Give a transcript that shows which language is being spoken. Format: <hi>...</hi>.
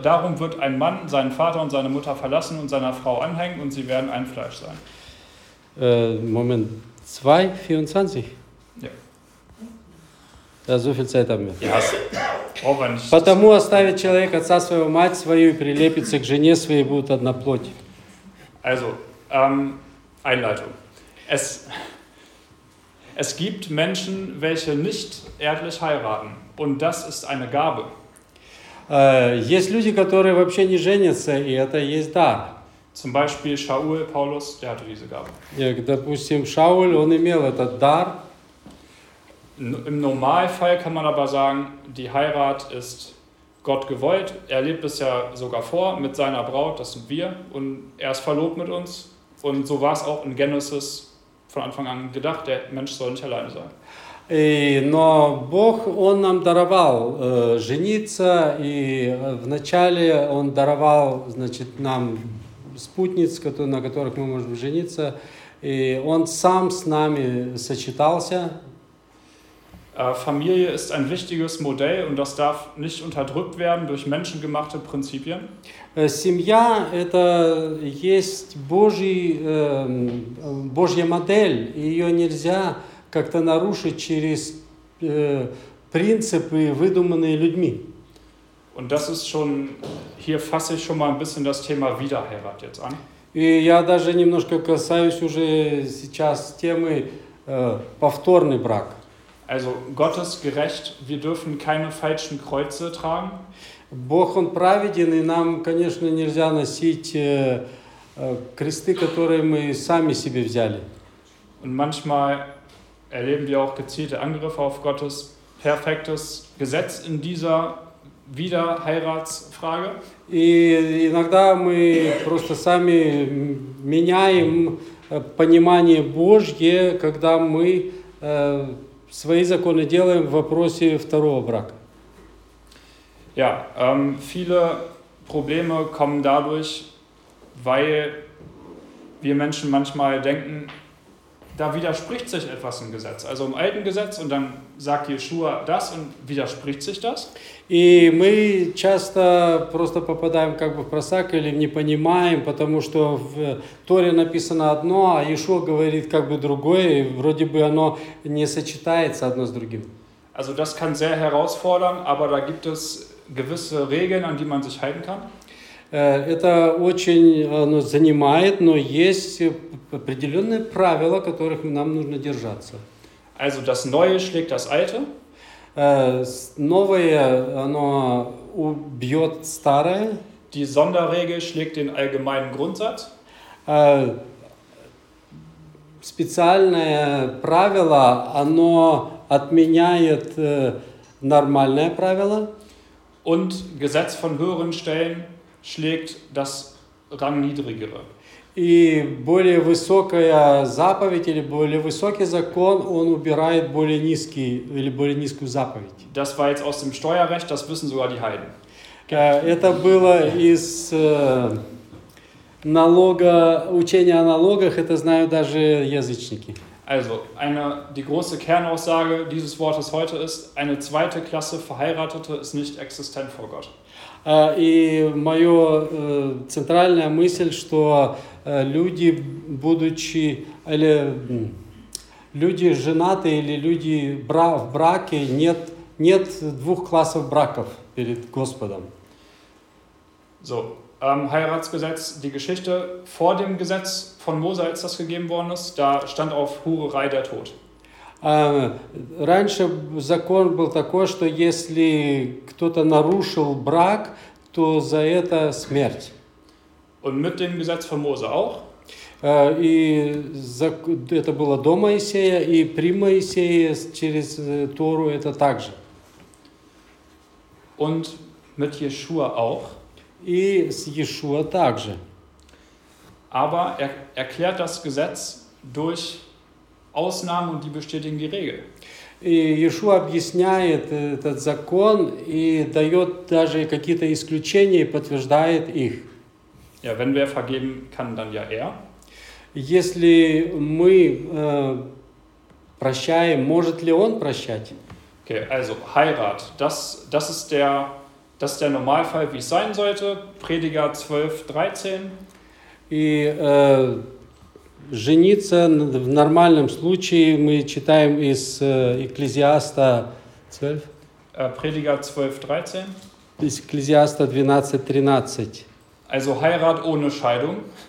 <de>Darum wird ein Mann seinen Vater und seine Mutter verlassen und seiner Frau anhängen und sie werden ein Fleisch sein. Moment, 2:24. Ja. Да, so viel Zeit haben wir. Ja.</de> <ru>Потому оставит человек отца своего, мать свою и прилепится к жене своей, будет одна плоть.</ru> <de>Also, Einleitung. Es gibt Menschen, welche nicht erblich heiraten, und das ist eine Gabe.</de> <ru>Есть люди, которые вообще не женятся, и это есть дар.</ru> <de>Zum Beispiel Shaul, Paulus, der hatte diese Gabe.</de> <ru>Ja, допустим, Шаул, он имел этот дар.</ru> <de>Im Normalfall kann man aber sagen, die Heirat ist Gott gewollt. Er lebt es ja sogar vor mit seiner Braut, das sind wir, und er ist verlobt mit uns. Und so war es auch in Genesis von Anfang an gedacht, der Mensch soll nicht alleine sein.</de> <ru>Но Бог, Он нам даровал жениться, и вначале Он даровал, значит, нам спутниц, на которых мы можем жениться, и Он сам с нами сочетался.</ru> <de>Familie ist ein wichtiges Modell und das darf nicht unterdrückt werden durch menschengemachte Prinzipien.</de> <ru>Семья – это есть Божья модель, и ее нельзя как-то нарушить через принципы, выдуманные людьми.</ru> <de>Und das ist schon, hier fasse ich schon mal ein bisschen das Thema Wiederheirat jetzt an.</de> <ru>И я даже немножко касаюсь уже сейчас темы повторный брак.</ru> <de>Also Gottes gerecht, wir dürfen keine falschen Kreuze tragen.</de> <ru>Бог, Он праведен, и нам, конечно, нельзя носить кресты, которые мы сами себе взяли.</ru> <de>Und manchmal erleben wir auch gezielte Angriffe auf Gottes perfektes Gesetz in dieser Wiederheiratsfrage.</de> <ru>И иногда мы просто сами меняем понимание Божье, когда мы свои законы делаем в вопросе второго брака.</ru> <de>Ja, viele Probleme kommen dadurch, weil wir Menschen manchmal denken, da widerspricht sich etwas im Gesetz, also im alten Gesetz, und dann sagt Jeschua das und widerspricht sich das.</de> <ru>И мы часто просто попадаем как бы в просак или не понимаем, потому что в Торе написано одно, а Иешуа говорит как бы другое, и вроде бы оно не сочетается одно с другим.</ru> <de>Also das kann sehr herausfordern, aber da gibt es gewisse Regeln, an die man sich halten kann.</de> <ru>Это очень оно занимает, но есть определенные правила, которых нам нужно держаться.</ru> <de>Also das Neue schlägt das Alte.</de> <ru>Новое, оно убьет старое.</ru> <de>Die Sonderregel schlägt den allgemeinen Grundsatz.</de> <ru>Специальное правило, оно отменяет нормальное правило.</ru> <de>Und Gesetz von höheren Stellen schlägt das rangniedrigere.</de> <ru>И более высокая заповедь или более высокий закон, он убирает более низкий или более низкую заповедь.</ru> <de>Das war jetzt aus dem Steuerrecht, das wissen sogar die Heiden.</de> <ru>Это было из налога, учения о налогах, это знают даже язычники.</ru> <de>Also, die große Kernaussage dieses Wortes heute ist, eine zweite Klasse Verheiratete ist nicht existent vor Gott.</de> <ru>И моя центральная мысль, что люди, будучи, или люди женаты, или люди в браке, нет двух классов браков перед Господом.</ru> <de>So, Heiratsgesetz, die Geschichte vor dem Gesetz von Mose, als das gegeben worden ist, da stand auf Hurerei der Tod.</de> <ru>Раньше закон был такой, что если кто-то нарушил брак, то за это смерть.</ru> <de>Und mit dem Gesetz von Mose auch?</de> <ru>И это было до Моисея, и при Моисее через Тору это также.</ru> <de>Und mit Yeshua auch?</de> <ru>И с Иешуа также.</ru> <de>Aber erklärt das Gesetz durch Ausnahmen und die bestätigen die Regel.</de> <ru>И Иешуа объясняет этот закон и дает даже какие-то исключения и подтверждает их.</ru> <de>Ja, wenn wer vergeben kann, dann ja er.</de> <ru>Если мы прощаем, может ли он прощать?</ru> <de>Okay, also Heirat, das ist der... Das ist der Normalfall, wie es sein sollte. Prediger 12, 13.</de> <ru>И жениться в нормальном случае мы читаем из Экклезиаста 12.</ru> <de>Prediger 12, 13.</de> <ru>Из Экклезиаста 12, 13.</ru> <de>Also Heirat ohne Scheidung.</de>